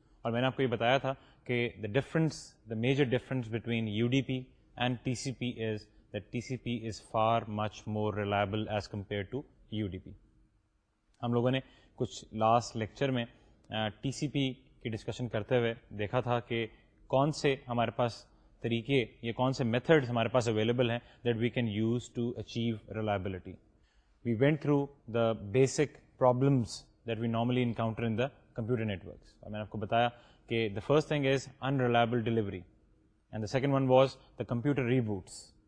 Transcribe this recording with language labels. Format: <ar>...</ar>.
<ur>Aur maine aapko ye bataya tha ke</ur> <en>the difference, the major difference between UDP and TCP is that TCP is far much more reliable as compared to UDP.</en> <ur>ہم لوگوں نے کچھ last lecture میں T C پی کی discussion کرتے ہوئے دیکھا تھا کہ کون سے ہمارے پاس طریقے یا کون سے میتھڈز ہمارے پاس اویلیبل ہیں</ur> <en>That we can use to achieve reliability. We went through the basic problems that we normally encounter in the computer networks.</en> <ur>میں نے آپ کو بتایا کہ</ur> <en>The first thing is unreliable delivery and the second one was the computer reboots.</en>